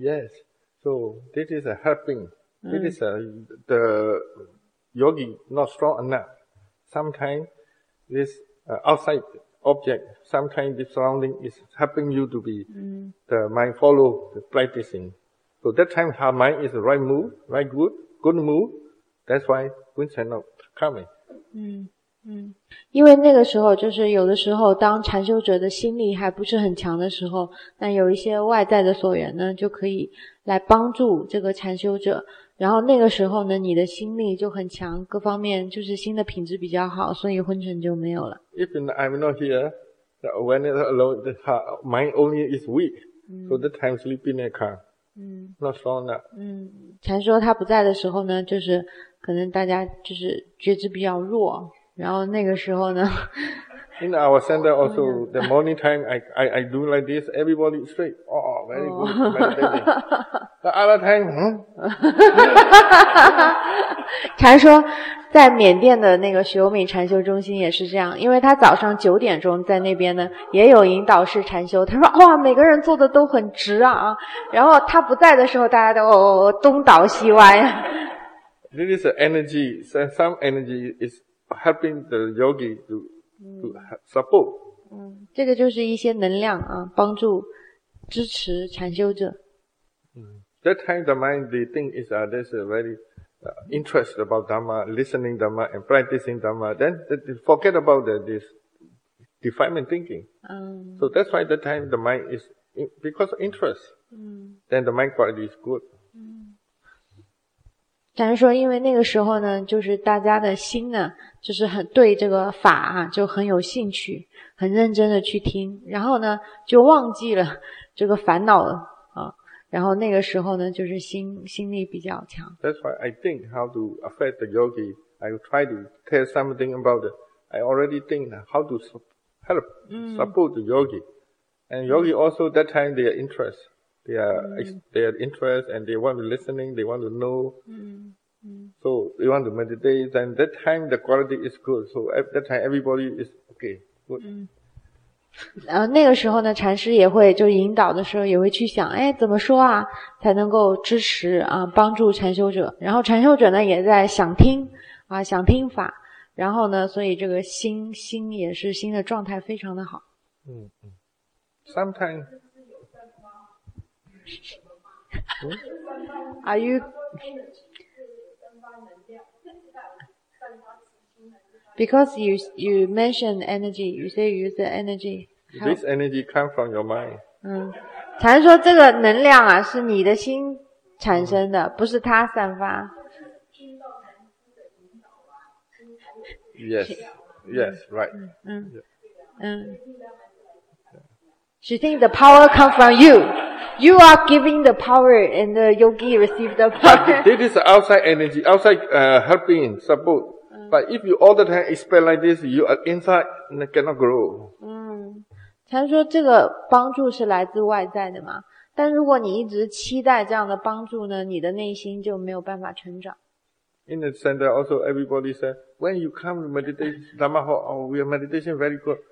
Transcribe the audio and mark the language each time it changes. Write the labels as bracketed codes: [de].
[en] Yes. So this is a helping. This is the yogi not strong enough. Sometimes this outside object, sometimes the surrounding is helping you to be the mind follow the practicing. So that time her mind is the right move, right good move. That's why wind is not coming. [zh] 因为那个时候就是有的时候当禅修者的心力还不是很强的时候，那有一些外在的所缘呢就可以来帮助这个禅修者，然后那个时候呢你的心力就很强，各方面就是心的品质比较好，所以昏沉就没有了。 [en] If I'm not here, the awareness alone, the heart, mind only is weak, so the time sleeping in a car, not strong enough. [zh] 禅修他不在的时候呢，就是可能大家就是觉知比较弱，然后那个时候呢 [en] In our center also, the morning time, I do like this, everybody straight. Oh, very good. Very good. The other time, [zh] 禅说在缅甸的那个修敏禅修中心也是这样，因为他早上九点钟在那边呢也有引导式禅修，他说哇每个人坐的都很直啊，然后他不在的时候大家都东倒西歪。 [en] This is the energy, some energy is helping the yogi to support. [zh] 这个就是一些能量啊，帮助支持禅修者。 [en] That time the mind, they think is that there's a very interest about Dhamma, listening Dhamma and practicing Dhamma, then they forget about this defilement thinking. So that's why that time the mind is, because of interest, then the mind quality is good. [zh] 禅师说因为那个时候呢就是大家的心呢就是很对这个法啊就很有兴趣，很认真的去听，然后呢就忘记了这个烦恼了啊，然后那个时候呢就是心力比较强。 [en] That's why I think how to affect the yogi, I try to tell something about it. I already think how to help, support the yogi. And yogi also that time their interest. They are interested and they want to listening, they want to know. So they want to meditate and that time the quality is good. So at that time everybody is okay, good. [zh] 那个时候呢禅师也会就引导的时候也会去想哎怎么说啊才能够支持啊帮助禅修者。然后禅修者呢也在想听啊想听法。然后呢所以这个心也是心的状态非常的好。 [en] Sometimes, Are you? Because you mentioned energy, you say you use the energy. This energy comes from your mind. [zh] 禅说这个能量啊，是你的心产生的，不是它散发。 [en] Yes. Yes. Right. She thinks the power comes from you. You are giving the power and the yogi receives the power. This is outside energy, outside helping, support. But if you all the time expect like this, you are inside and cannot grow. [zh] 禅说这个帮助是来自外在的嘛。但如果你一直期待这样的帮助呢，你的内心就没有办法成长。 [en] In the center also everybody said, when you come to meditate, Dhamma Hall, oh, your meditation very good.